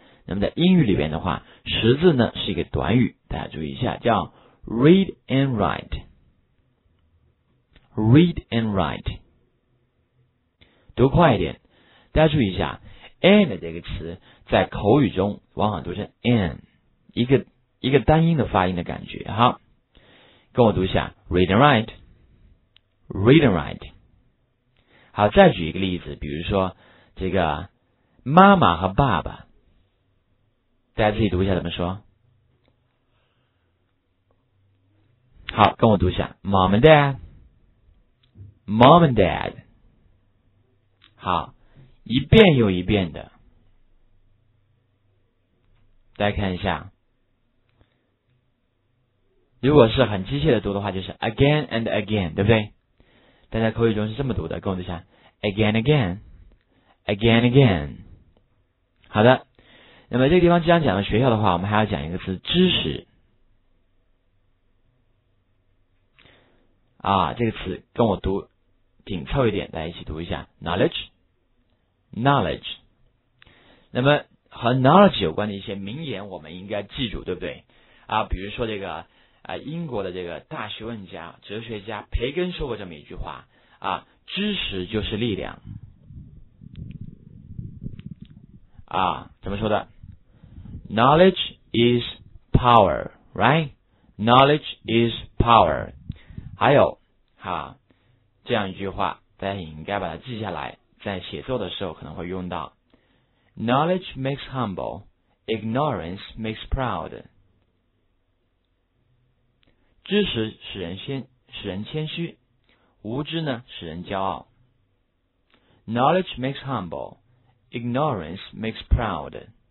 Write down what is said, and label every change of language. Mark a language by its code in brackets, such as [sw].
[zh] 那么在英语里边的话，识字呢是一个短语，大家注意一下，叫 read and write。 [en] read and write。 [zh] 读快一点，大家注意一下 ，and 这个词在口语中往往读成 and， 一个单音的发音的感觉哈。跟我读一下 [en] ，read and write，read and write。 [zh] 好，再举一个例子，比如说这个妈妈和爸爸，大家自己读一下怎么说。好，跟我读一下 [en] ，mom and dad，mom and dad。 [zh] 好，一遍又一遍的，大家看一下，如果是很机械的读的话，就是 [en] again and again， [zh] 对不对？大家口语中是这么读的，跟我读一下 ， [en] again again， again again。 [zh] 好的，那么这个地方既然讲了学校的话，我们还要讲一个词，知识。啊，这个词跟我读紧凑一点，大家一起读一下 ，knowledge。 Knowledge， 那么和 knowledge 有关的一些名言，我们应该记住，对不对？啊，比如说这个英国的这个大学问家、哲学家培根说过这么一句话啊：知识就是力量。啊，怎么说的 [en] ？Knowledge is power, right? Knowledge is power。 [zh] 还有哈、啊、这样一句话，大家应该把它记下来。在写作的时候可能会用到 [en] Knowledge makes humble, ignorance makes proud。 [zh] 知识使人谦虚，无知呢使人骄傲。 [en] Knowledge makes humble, ignorance makes proud。